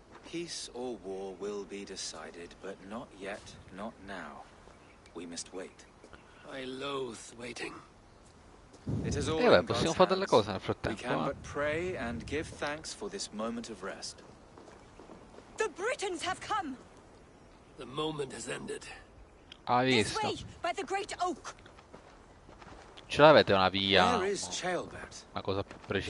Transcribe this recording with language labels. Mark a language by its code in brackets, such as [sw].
[en] Peace or war will be decided, but not yet, not now. We must wait. I loathe waiting. It is all in [it] possiamo fare delle cose nel frattempo. [en] We can but pray and give thanks for this moment of rest. The Britons have come! The moment has ended. [it] Ah, visto. [en] This way, by the great oak. [it] Ce l'avete una via? [en] Where is Chaelbert? [it] Una cosa più precisa.